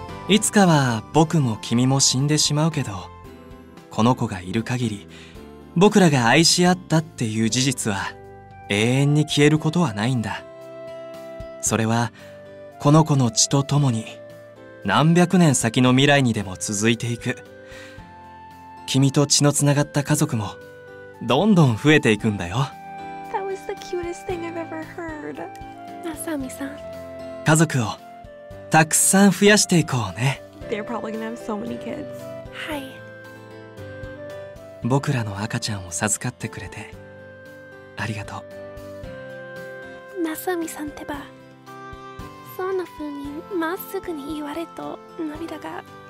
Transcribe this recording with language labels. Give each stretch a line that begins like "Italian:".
Japanese: いつかは僕も君も死んでしまうけど、この子がいる限り、僕らが愛し合ったっていう事実は永遠に消えることはないんだ。それはこの子の血とともに何百年先の未来にでも続いていく。君と血のつながった家族もどんどん増えていくんだよ。
English: That was the cutest thing I've ever heard.
Japanese: マサミさん、家族をたくさん増やしていこうね。
English: They're probably gonna have so many kids.
Japanese: はい。僕らの赤ちゃんを授かってくれてありがとう。マサミさんってば、そんな風にまっすぐに言われと涙が。